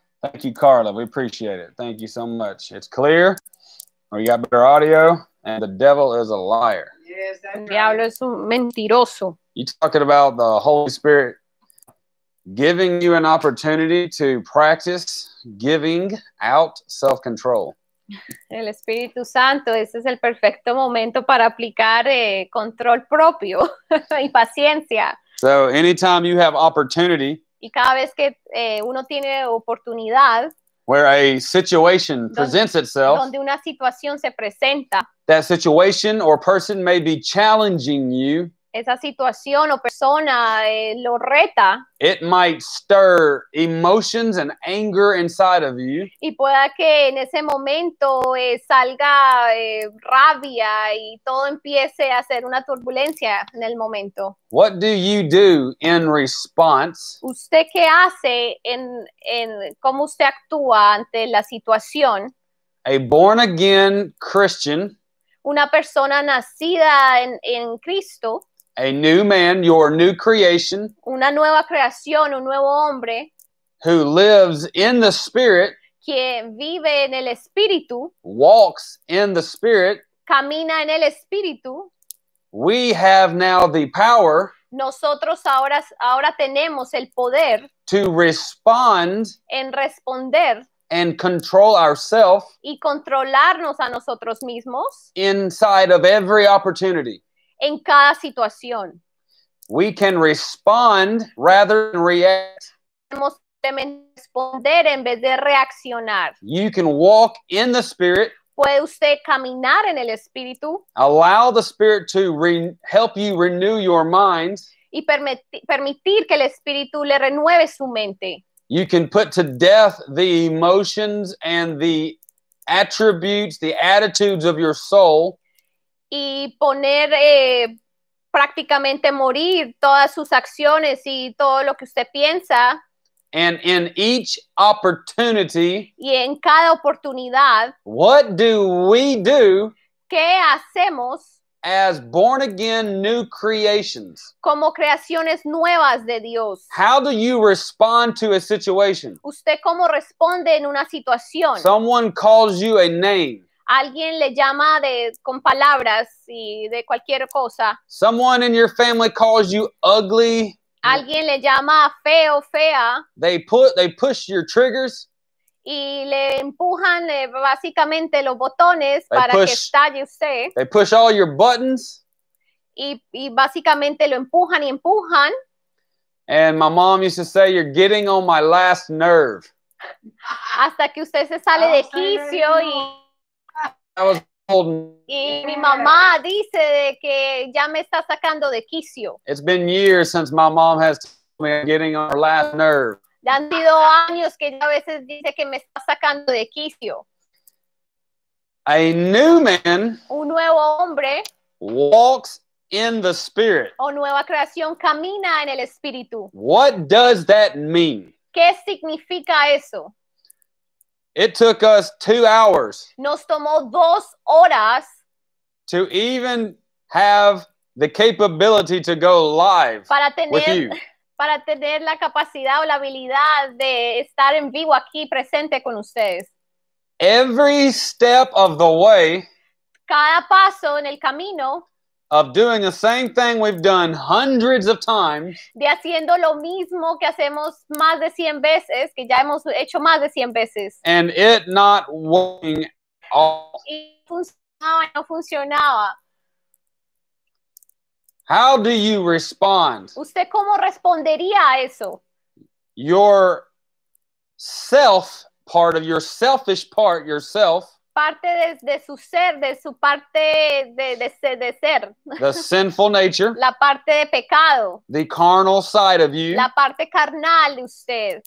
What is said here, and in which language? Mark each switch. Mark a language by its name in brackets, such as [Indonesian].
[English] Thank you, Carla. We appreciate it. Thank you so much. It's clear. We got better audio. And the devil is a liar. [Spanish] Yes, diablo es un mentiroso. [English] You talking about the Holy Spirit giving you an opportunity to practice giving out self-control. [Spanish] El Espíritu Santo, ese es el perfecto momento para aplicar control propio y paciencia. [English] So anytime you have opportunity, [Spanish] y cada vez que uno tiene oportunidad, [English] where a situation presents itself, [Spanish] donde una situación se presenta, [English] that situation or person may be challenging you, [Spanish] esa situación o persona lo reta. [English] It might stir emotions and anger inside of you. [Spanish] Y pueda que en ese momento salga rabia y todo empiece a hacer una turbulencia en el momento. [English] What do you do in response? [Spanish] ¿Usted qué hace en cómo usted actúa ante la situación? [English] A born again Christian. [Spanish] Una persona nacida en Cristo. [English] A new man, your new creation. [Spanish] Una nueva creación, un nuevo hombre. [English] Who lives in the Spirit. [Spanish] Quien vive en el Espíritu. [English] Walks in the Spirit. [Spanish] Camina en el Espíritu. [English] We have now the power. [Spanish] Nosotros ahora tenemos el poder. [English] To respond. [Spanish] En responder. [English] And control ourselves. [Spanish] Y controlarnos a nosotros mismos. [English] Inside of every opportunity. [Spanish] En cada situación. [English] We can respond rather than react. [Spanish] Podemos responder en vez de reaccionar. [English] You can walk in the Spirit. [Spanish] Puede usted caminar en el Espíritu. [English] Allow the Spirit to help you renew your mind. [Spanish] Y permitir que el Espíritu le renueve su mente. [English] You can put to death the emotions and the attributes, the attitudes of your soul. [Spanish] Y poner prácticamente morir todas sus acciones y todo lo que usted piensa. [English] And in each opportunity. [Spanish] Y en cada oportunidad. [English] What do we do? [Spanish] ¿Qué hacemos? [English] As born again new creations. [Spanish] Como creaciones nuevas de Dios. [English] How do you respond to a situation? [Spanish] ¿Usted cómo responde en una situación? [English] Someone calls you a name. [Spanish] Alguien le llama con palabras y de cualquier cosa. [English] Someone in your family calls you ugly. [Spanish] Alguien le llama feo, fea. [English] They push your triggers. [Spanish] Y le empujan básicamente los botones para que estalle usted. [English] They push all your buttons. [Spanish] Y básicamente lo empujan y empujan. [English] And my mom used to say, you're getting on my last nerve. [Spanish] Hasta que usted se sale de quicio y... [English] I was old. [Spanish] Y mi mamá dice que ya me está sacando de quicio. [English] It's been years since my mom has told me I'm getting on her last nerve. [Spanish] Ya han sido años que ya a veces dice que me está sacando de quicio. [English] A new man. [Spanish] Un nuevo hombre. [English] Walks in the Spirit. [Spanish] O nueva creación camina en el Espíritu. [English] What does that mean? [Spanish] ¿Qué significa eso? [English] It took us 2 hours. [Spanish] Nos tomó 2 horas. [English] To even have the capability to go live with you. [Spanish] Para tener la capacidad o la habilidad de estar en vivo aquí presente con ustedes. [English] Every step of the way. [Spanish] Cada paso en el camino. [English] Of doing the same thing we've done hundreds of times. [Spanish] De haciendo lo mismo que hacemos más de 100 veces, que ya hemos hecho más de 100 veces. [English] And it not working at all. [Spanish] Y funcionaba, no funcionaba. [English] How do you respond? [Spanish] ¿Usted cómo respondería a eso? [English] Your self part of your selfish part yourself. [Spanish] Parte de su ser, de su parte de ser. [English] The sinful nature. [Spanish] La parte de pecado. [English] The carnal side of you. [Spanish] La parte carnal de usted.